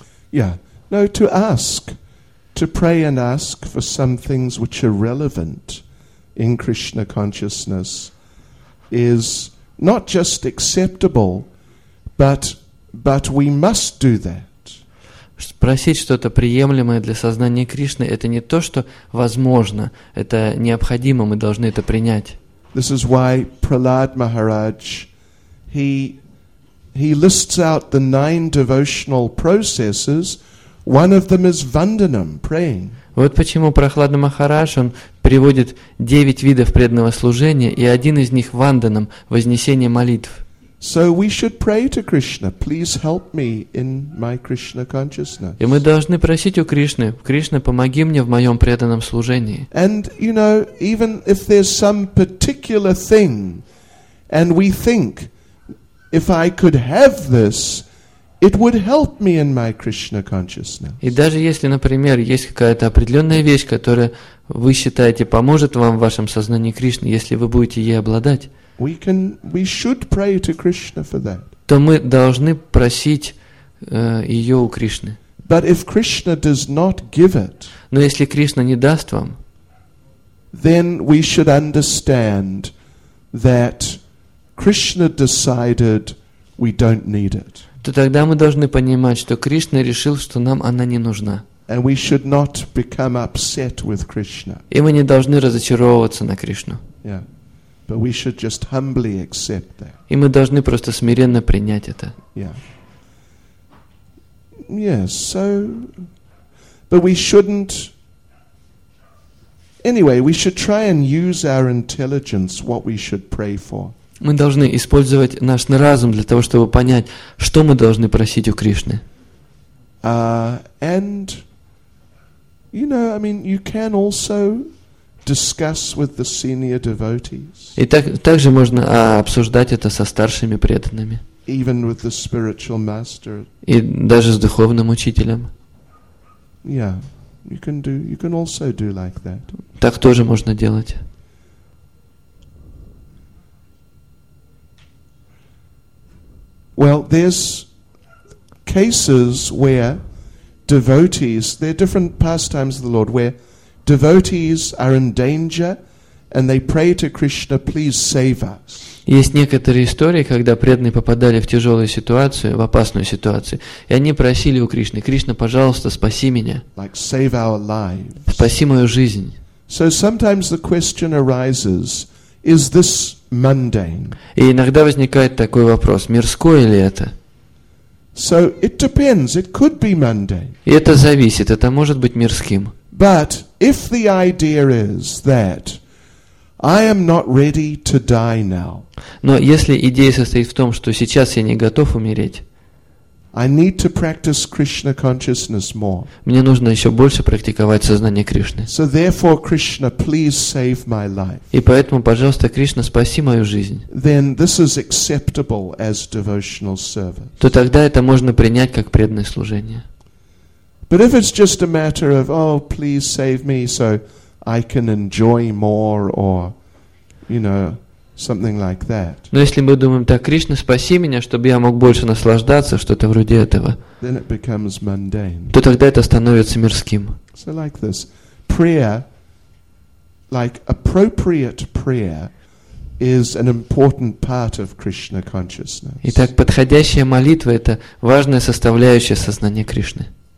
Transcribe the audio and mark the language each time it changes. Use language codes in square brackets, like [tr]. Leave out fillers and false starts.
[en] Yeah, no, to ask, to pray and ask for some things which are relevant in Krishna consciousness is not just acceptable, but we must do that. [ru] Спросить что-то приемлемое для сознания Кришны — это не то, что возможно, это необходимо, мы должны это принять. [en] This is why Prahlad Maharaj, he lists out the 9 devotional processes. One of them is vandanam, praying. [ru] Вот почему Прахлад Махарадж он приводит 9 видов преданного служения, и один из них ванданам, вознесение молитв. [en] So we should pray to Krishna, please help me in my Krishna consciousness. [ru] И мы должны просить у Кришны: Кришна, помоги мне в моем преданном служении. [en] And you know, even if there's some particular thing, and we think, if I could have this, it would help me in my Krishna consciousness. [ru] И даже если, например, есть какая-то определенная вещь, которая вы считаете поможет вам в вашем сознании Кришны, если вы будете ей обладать. [en] We should pray to Krishna for that. [ru] То мы должны просить ее у Кришны. [en] But if Krishna does not give it, [ru] но если Кришна не даст вам, [en] then we should understand that Krishna decided we don't need it. [ru] То тогда мы должны понимать, что Кришна решил, что нам она не нужна. [en] And we should not become upset with Krishna. [ru] И мы не должны разочаровываться на Кришну. [en] Yeah. But we should just humbly accept that. [ru] И мы должны просто смиренно принять это. [en] Yeah. Yes, so but we shouldn't anyway, we should try and use our intelligence what we should pray for. [ru] Мы должны использовать наш разум для того, чтобы понять, что мы должны просить у Кришны. [en] And you know, I mean, you can also discuss with the senior devotees. [ru] И также можно обсуждать это со старшими преданными. [en] Even with the spiritual master. [ru] И даже с духовным учителем. [en] Yeah, you can do. You can also do like that. [ru] Так тоже можно делать. [en] Well, there's cases where devotees. There are different pastimes of the Lord where devotees are in danger, and they pray to Krishna, "Please save us." [ru] Есть некоторые истории, когда преданные попадали в тяжелую ситуацию, в опасную ситуацию, и они просили у Кришны: "Кришна, пожалуйста, спаси меня." [en] Like save our lives. [ru] Спаси мою жизнь. [en] So sometimes the question arises: Is this mundane? [ru] И иногда возникает такой вопрос: мирское ли это? [en] So it depends. It could be mundane. [ru] И это зависит. Это может быть мирским. [en] But if the idea is that I am not ready to die now. [ru] Но если идея состоит в том, что сейчас я не готов умереть. [en] I need to practice Krishna consciousness more. [ru] Мне нужно еще больше практиковать сознание Кришны. [en] So therefore, Krishna, please save my life. [ru] И поэтому, пожалуйста, Кришна, спаси мою жизнь. [en] Then this is acceptable as devotional service. [ru] То тогда это можно принять как преданное служение. [en] But if it's just a matter of, oh, please save me so I can enjoy more, or, you know, something like that. [ru] Но если мы думаем так: Кришна, спаси меня, чтобы я мог больше наслаждаться, что-то вроде этого. [en] Then it becomes mundane. [ru] То тогда это становится мирским. [en] So like this, prayer, like appropriate prayer, is an important part of Krishna consciousness. [ru] Итак, подходящая молитва – это важная составляющая сознания Кришны.